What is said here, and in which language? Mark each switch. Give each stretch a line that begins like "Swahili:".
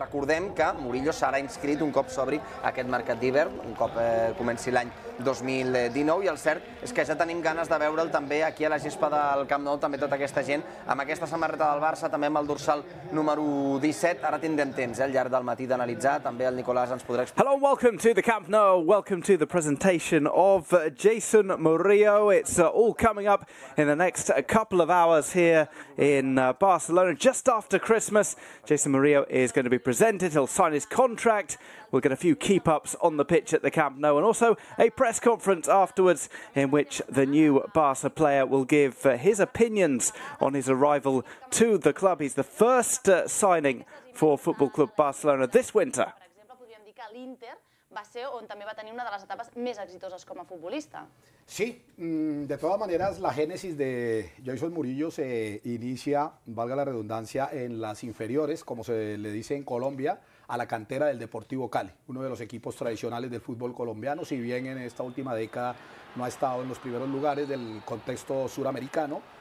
Catalan: Recordem que Murillo serà inscrit un cop s'obri aquest mercat d'hivern, un cop comenci l'any 2019, i el cert és que ja tenim ganes de veure'l també aquí a la gespa del Camp Nou, també tota aquesta gent amb aquesta samarreta del Barça, també amb el dorsal número 17. Ara tindrem temps al llarg del matí d'analitzar, també el Nicolás ens podrà explicar.
English: Hello and welcome to the Camp Nou, welcome to the presentation of Jason Murillo. It's all coming up in the next couple of hours here in Barcelona. Just after Christmas, Jason Murillo is going to be presented, he'll sign his contract. We'll get a few keep-ups on the pitch at the Camp Nou and also a press conference afterwards in which the new Barca player will give his opinions on his arrival to the club. He's the first signing for Football Club Barcelona this winter.
Catalan: Per exemple, podríem dir que l'Inter va ser on també va tenir una de les etapes més exitoses com a futbolista.
Spanish: Sí, de todas maneras, la génesis de Jason Murillo se inicia, valga la redundancia, en las inferiores, como se le dice en Colombia, a la cantera del Deportivo Cali, uno de los equipos tradicionales del fútbol colombiano, si bien en esta última década no ha estado en los primeros lugares del contexto suramericano.